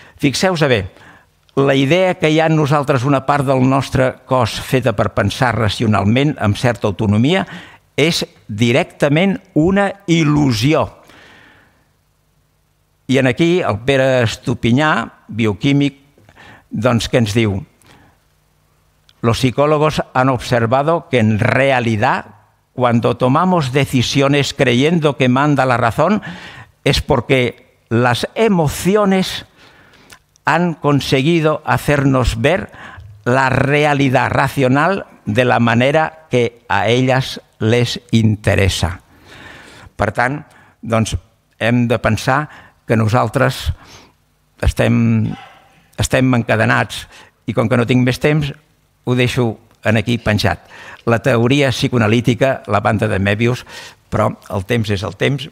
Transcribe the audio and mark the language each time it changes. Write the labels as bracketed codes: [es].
[ca] Fixeu-vos bé, la idea que hi ha en nosaltres una part del nostre cos feta per pensar racionalment amb certa autonomia és directament una il·lusió. I aquí el Pere Estupinyà, bioquímic, doncs què ens diu? [es] Los psicólogos han observado que en realidad cuando tomamos decisiones creyendo que manda la razón es porque las emociones han conseguido hacernos ver la realidad racional de la manera que a ellas les interesa. [ca] Per tant, doncs, hem de pensar que nosaltres estem encadenats, i com que no tinc més temps, ho deixo aquí penjat. La teoria psicoanalítica, la banda de Mèbius, però el temps és el temps.